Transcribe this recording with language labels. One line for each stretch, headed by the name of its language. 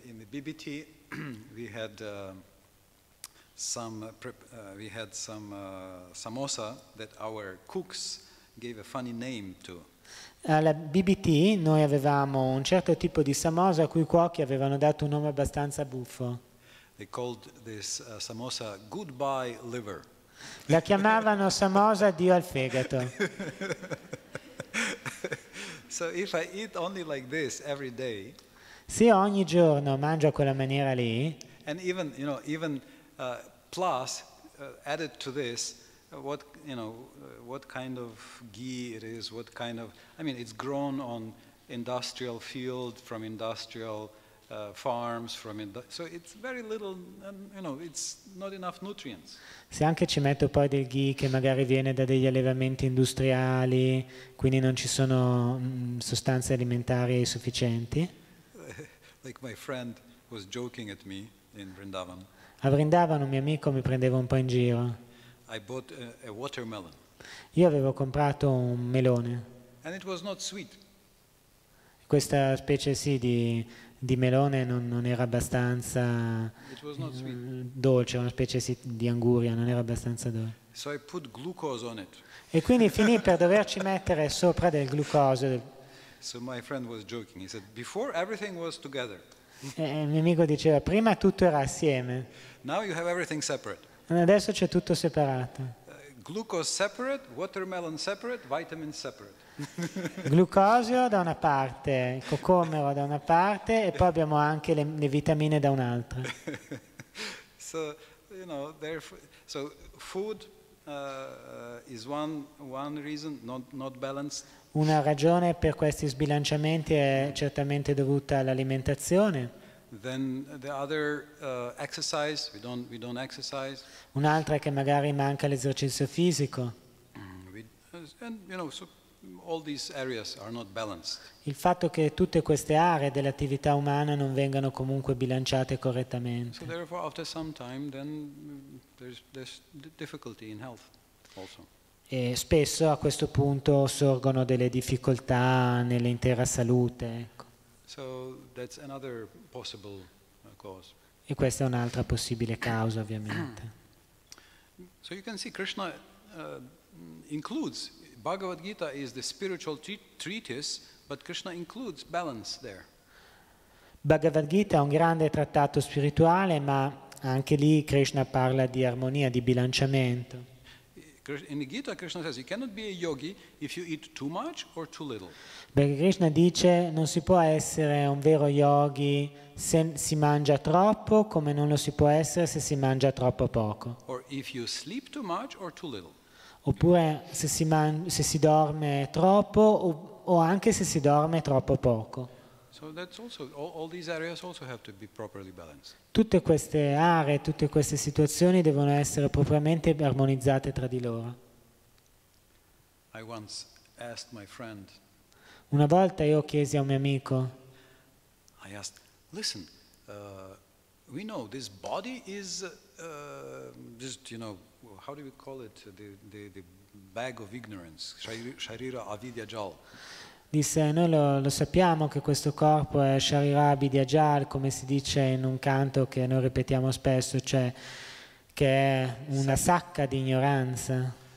English: BBT, we had samosa that our cooks gave a funny name to.
Italian: Alla BBT noi avevamo un certo tipo di samosa a cui i cuochi avevano dato un nome abbastanza buffo.
English: They called this samosa goodbye liver.
Italian: La chiamavano samosa addio al fegato.
English: So if I eat only like this every day.
Italian: Se ogni giorno mangio a quella maniera lì,
English: and even, you know, even plus added to this, what, you know, what kind of ghee it is, what kind of, I mean, it's grown on industrial field from industrial farms from so it's very little, you know, it's not enough nutrients.
Italian: Se anche ci metto poi del ghee che magari viene da degli allevamenti industriali, quindi non ci sono sostanze alimentari sufficienti.
English: Like my friend was joking at me in Vrindavan.
Italian: A Vrindavan un mio amico mi prendeva un po' in giro.
English: I bought a watermelon.
Italian: Io avevo comprato un melone.
English: And it was not sweet.
Italian: Questa specie sì di melone non era abbastanza dolce, una specie sì di anguria, non era abbastanza dolce.
English: So I put glucose on it.
Italian: E quindi finì per doverci mettere sopra del glucosio.
English: So my friend was joking. He said, "Before everything was together."
Italian: Mio amico diceva, prima tutto era assieme.
English: Now you have everything separate.
Italian: Adesso c'è tutto separato.
English: Glucose separate, watermelon separate, vitamin separate.
Italian: Glucosio da una parte, cocomero da una parte, e poi abbiamo anche le vitamine da un'altra.
English: So you know, therefore, so food is one reason not balanced.
Italian: Una ragione per questi sbilanciamenti è certamente dovuta all'alimentazione.
English: Then the other exercise, we don't exercise.
Italian: Un'altra è che magari manca l'esercizio fisico.
English: And you know, so all these areas are not balanced.
Italian: Il fatto che tutte queste aree dell'attività umana non vengano comunque bilanciate correttamente.
English: So therefore after some time then there's difficulty in health also.
Italian: E spesso a questo punto sorgono delle difficoltà nell'intera salute. Ecco.
English: So that's another possible cause.
Italian: E questa è un'altra possibile causa, ovviamente.
English: So you can see Krishna includes Bhagavad Gita is the spiritual treatise, but Krishna includes balance there.
Italian: Bhagavad Gita è un grande trattato spirituale, ma anche lì Krishna parla di armonia, di bilanciamento.
English: In the Gita Krishna says you cannot be a yogi if you eat too much or too little.
Italian: Perché Krishna dice non si può essere un vero yogi se si mangia troppo, come non lo si può essere se si mangia troppo poco.
English: Or if you sleep too much or too little.
Italian: Oppure se si dorme troppo o anche se si dorme troppo poco.
English: So that's also all these areas also have to be properly balanced.
Italian: Tutte queste aree, tutte queste situazioni devono essere propriamente armonizzate tra di loro.
English: I once asked my friend.
Italian: Una volta io chiesi a un mio amico.
English: I asked, listen, we know this body is just, you know, how do we call it, the bag of ignorance, sharira avidya jal.
Italian: Disse, noi lo sappiamo che questo corpo è Sharira Abhidya Jal, come si dice in un canto che noi ripetiamo spesso, cioè che è una sacca di ignoranza.